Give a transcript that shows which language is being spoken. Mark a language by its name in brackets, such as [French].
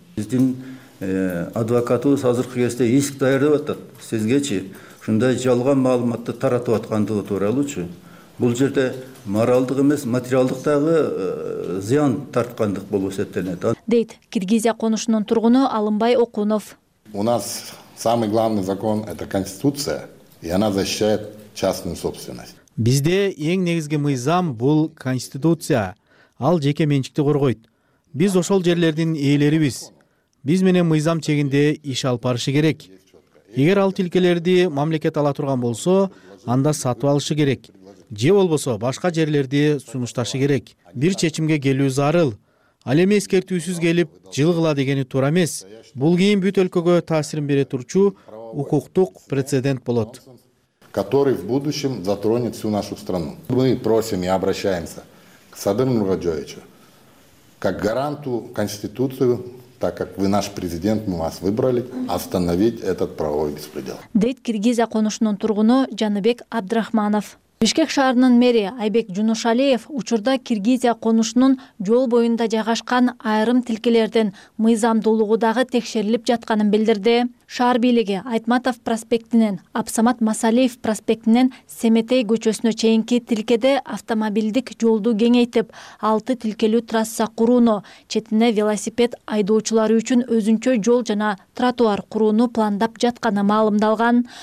[Kyrgyz] Биздин адвокатыбыз азыркы кезде иск даярдап атат. Сизгечи ушундай жалган маалыматты таратып аткандыгы тууралуучу. Бул жерде моралдык эмес, материалдык дагы зыян тарткандык болуп эсептелет. Дейт Киргизия конушунун тургуну Алымбай Окунов. [Russian] У нас самый главный закон это конституция, и она защищает частную собственность. [Kyrgyz] Бизде эң негизги мыйзам бул конституция. Ал жеке менчикти коргойт. Биз ошол жерлердин ээлерибиз. Биз менен мыйзам чегинде иш алып барышы керек. Эгер ал тилкелерди мамлекет ала турган болсо, анда сатып алышы керек. Же болбосо башка жерлерди сунушташы керек. Бир чечимге келүү зарыл. Ал эми эскертүүсүз келип, жыл кыла дегени туура эмес. Бул кийин бүт өлкөгө таасирин бере турчу укуктук прецедент болот. [Russian] Который в будущем затронет всю нашу страну. Мы просим и обращаемся к Садыру Мурадёвичу, как гаранту Конституции, так как вы наш президент, мы вас выбрали, остановить этот правовой беспредел. [Kyrgyz] Дейт киргиз аконушунун тургуну Жаныбек Абдрахманов. Бишкек шаарынын мэри Айбек Жунушалиев учурда Киргизия конушунун жол боюнда жайгашкан айрым тилкелердин мыйзамдуулугу дагы текшерилип жатканын билдирди. Шаар бийлиги Айтматов проспектинен Апсамат Масалиев проспектинен Семетей көчөсүнө чейинки тилкеде автомобилдик жолду кеңейтип, 6 тилкелүү трасса курууну, четине велосипед айдоочулары үчүн өзүнчө жол жана тротуар курууну пландап жатканы маалымдалган.